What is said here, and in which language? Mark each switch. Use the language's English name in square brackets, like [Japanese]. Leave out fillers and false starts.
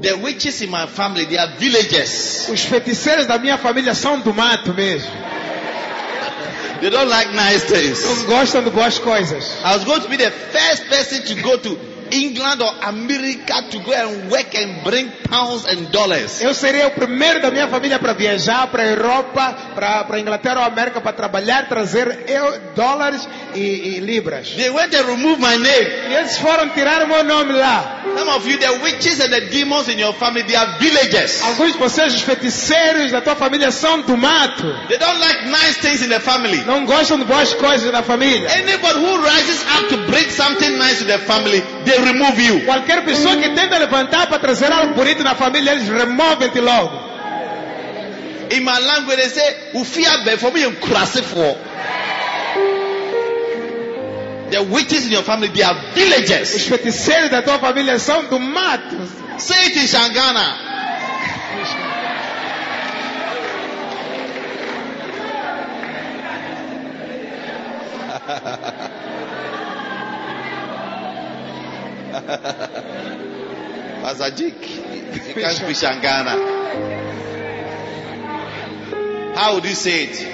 [English] The witches in my family, they are villagers. [Portuguese] Os feiticeiros da minha família são do mato mesmo. [English] They don't like nice things. [Portuguese] Não gostam de boas coisas. [English] I was going to be the first person to go to England or America to go and work and bring pounds and dollars. [Portuguese] Eu seria o primeiro da minha família para viajar para a Europa, para Inglaterra ou América para trabalhar, trazer dólares e libras. [English] They went to remove my name. [Portuguese] Eles foram tirar meu nome lá. [English] Some of you, the witches and the demons in your family, they are villagers. [Portuguese] Alguns de vocês, os feiticeiros da tua família são do mato. [English] They don't like nice things in the family. [Portuguese] Não gostam de boas coisas na família. [English] Anybody who rises up to bring something nice to their family, they remove you. [Portuguese] Qualquer pessoa que tenta levantar para trazer algo bonito na família, eles removem-te logo. [English] In my language, they say, "Ufia be for me, crazy for." The witches in your family, they are villagers. [Portuguese] Os feiticeiros da tua família são do mato. [English] Say it in Shangana. Pastor Jik, you can't speak Shangana. How would you say it?